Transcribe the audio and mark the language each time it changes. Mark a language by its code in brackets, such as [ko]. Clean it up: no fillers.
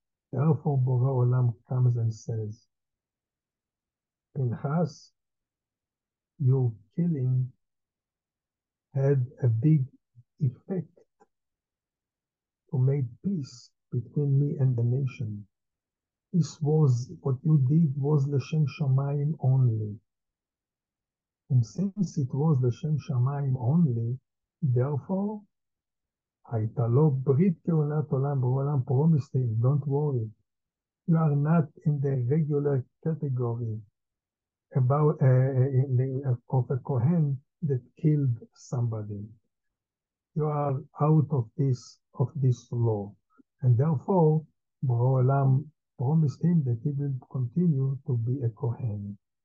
[en] Therefore, Borei Olam comes and says, Pinchas, your killing had a big effect to make peace between me and the nation. This was, what you did was Lashem Shamayim only. And since it was Lashem Shamayim only, therefore, [he] הייתה לו ברית כהונת עולם בעולם, [en] promise me, don't worry. You are not in the regular category about of a Kohen that killed somebody. You are out of this law. And therefore, Bo'olam promised him that he will continue to be a Kohen.